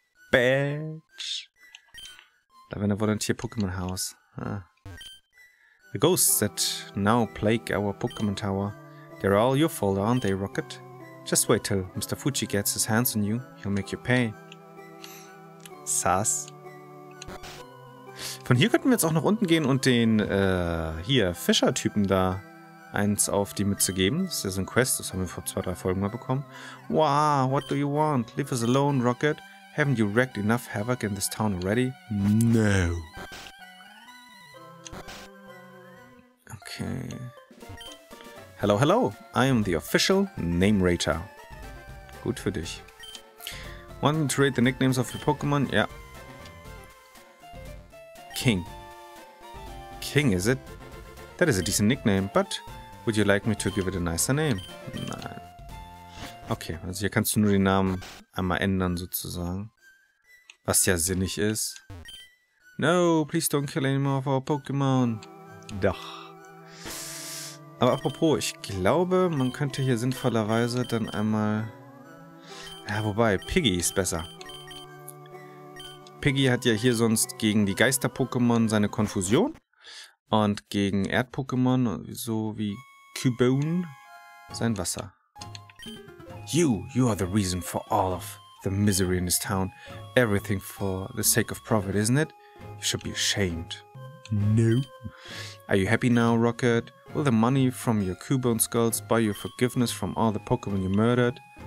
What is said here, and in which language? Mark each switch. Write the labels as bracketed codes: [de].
[de] Bitch. Da wäre ein Volunteer-Pokémon-Haus. Ah. [en] The ghosts that now plague our Pokémon Tower, they're all your fault, aren't they, Rocket? Just wait till Mr. Fuji gets his hands on you, he'll make you pay. Sass. [de] Von hier könnten wir jetzt auch nach unten gehen und den, hier, Fischer-Typen da eins auf die Mütze geben. Das ist ja so ein Quest, das haben wir vor 2-3 Folgen mal bekommen. [en] Wow, what do you want? Leave us alone, Rocket. Haven't you wrecked enough havoc in this town already? No. Okay. Hello, hello. I am the official name rater. [de] Gut für dich. [en] Wanting to rate the nicknames of your Pokémon? Ja. Yeah. King. King, is it? That is a decent nickname, but would you like me to give it a nicer name? [de] Nein. Okay, also hier kannst du nur den Namen einmal ändern, sozusagen. Was ja sinnig ist. [en] No, please don't kill any more of our Pokémon. [de] Doch. Aber apropos, ich glaube, man könnte hier sinnvollerweise dann einmal... Ja, wobei, Piggy ist besser. Piggy hat ja hier sonst gegen die Geister-Pokémon seine Konfusion. Und gegen Erd-Pokémon, so wie Cubone, sein Wasser. [en] You, you are the reason for all of the misery in this town. Everything for the sake of profit, isn't it? You should be ashamed. No. Are you happy now, Rocket? Will the money from your Cubone skulls buy you forgiveness from all the Pokémon you murdered?